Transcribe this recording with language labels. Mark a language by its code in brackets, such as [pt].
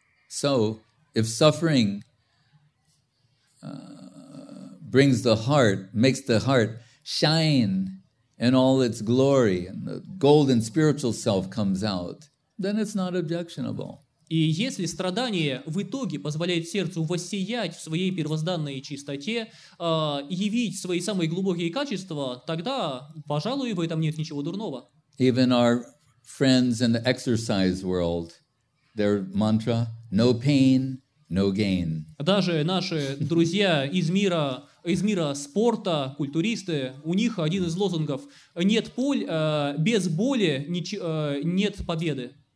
[en] So, if suffering brings the heart, makes the heart shine in all its glory, and the golden spiritual self comes out, then it's not objectionable. [ru] И если страдание в итоге позволяет сердцу воссиять в своей первозданной чистоте, явить свои самые глубокие качества, тогда, пожалуй, в этом нет ничего дурного. [en] Even our friends in the exercise world, their mantra, no pain, no gain. [ru] Даже наши друзья из мира спорта, культуристы, у них один из лозунгов «Нет боль, без боли нет победы».